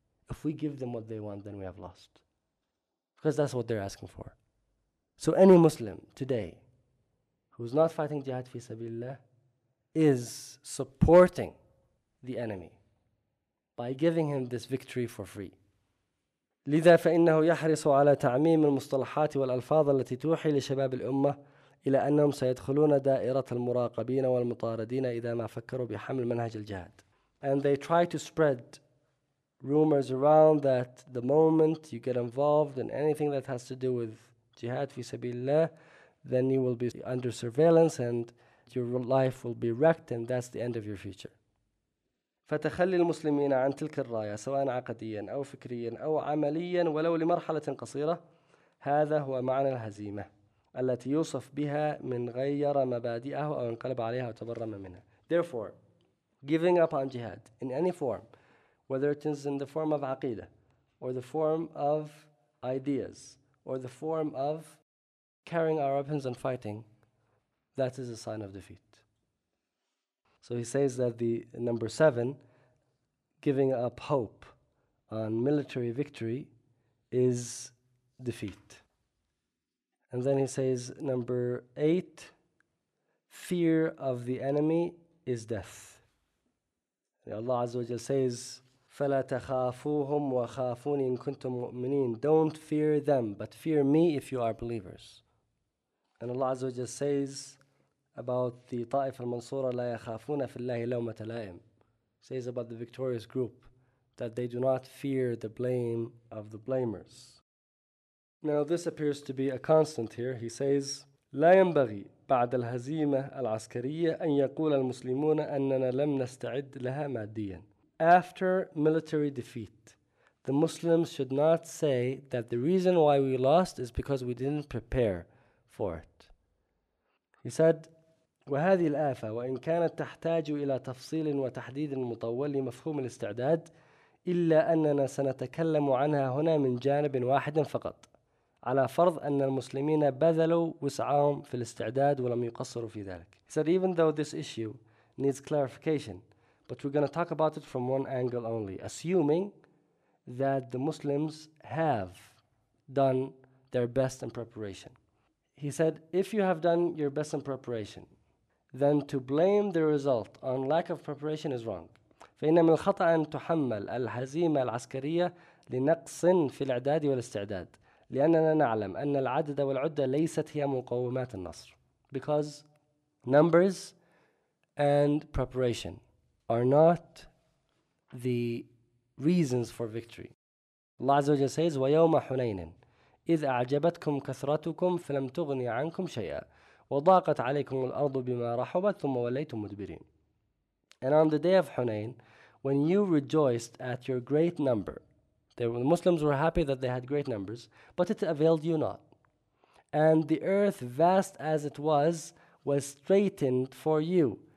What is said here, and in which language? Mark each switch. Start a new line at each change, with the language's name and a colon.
English: If we give them what they want, then we have lost. Because that's what they're asking for. So any Muslim today who's not fighting jihad fi sabilillah is supporting the enemy by giving him this victory for free.
Arabic: لذا فإنه يحرص على تعميم المصطلحات والألفاظ التي توحي لشباب الأمة إلى أنهم سيدخلون دائرة المراقبين والمطاردين إذا ما فكروا بحمل منهج الجهاد.
English: And they try to spread rumors around that the moment you get involved in anything that has to do with jihad fi sabilillah, then you will be under surveillance and your life will be wrecked and that's the end of your future.
Arabic: فتخلي المسلمين عن تلك الراية سواء عقديا أو فكريا أو عمليا ولو لمرحلة قصيرة هذا هو معنى الهزيمة التي يوصف بها من غير مبادئه أو انقلب عليها وتبرم منها.
English: Therefore, giving up on jihad in any form, whether it is in the form of aqidah or the form of ideas or the form of carrying our weapons and fighting, that is a sign of defeat. So he says that the number seven, giving up hope on military victory, is defeat. And then he says, number eight, fear of the enemy is death. Allah Azza wa Jal says,
Arabic: فَلَا تَخَافُوهُمْ وَخَافُونِ إِن كُنْتُم مُؤْمِنِينَ.
English: Don't fear them, but fear me if you are believers. And Allah Azza wa Jal says about the
Arabic: طائف المنصورة لا يخافون في الله لومة لائم.
English: Says about the victorious group that they do not fear the blame of the blamers. Now this appears to be a constant here. He says,
Arabic: لا ينبغي بعد الهزيمة العسكرية أن يقول المسلمون أننا لم نستعد لها ماديا.
English: After military defeat, the Muslims should not say that the reason why we lost is because we didn't prepare for it. He said,
Arabic: وهذه الآفة وإن كانت تحتاج إلى تفصيل وتحديد مطول لمفهوم الاستعداد إلا أننا سنتكلم عنها هنا من جانب واحد فقط على فرض أن المسلمين بذلوا وسعهم في الاستعداد ولم يقصروا في ذلك.
English: He said, even though this issue needs clarification, but we're going to talk about it from one angle only, assuming that the Muslims have done their best in preparation. He said, if you have done your best in preparation, then to blame the result on lack of preparation is wrong.
Arabic: فإن من الخطأ أن تحمل الهزيمة العسكرية لنقص في الإعداد والاستعداد لأننا نعلم أن العدد والعدة ليست هي مقومات النصر.
English: Because numbers and preparation are not the reasons for victory. Allah Azza wa Jalla says,
Arabic: وَيَوْمَ حُنَيْنٍ إِذْ أَعْجَبَتْكُمْ كَثْرَتُكُمْ فَلَمْ تُغْنِي عَنْكُمْ شَيْئًا وَضَاقَتْ عَلَيْكُمُ الْأَرْضُ بِمَا رَحُبَتْ ثُمَّ وَلَيْتُمْ مُدْبِرِينَ.
English: And on the day of Hunayn, when you rejoiced at your great number, the Muslims were happy that they had great numbers, but it availed you not. And the earth, vast as it was straightened for you.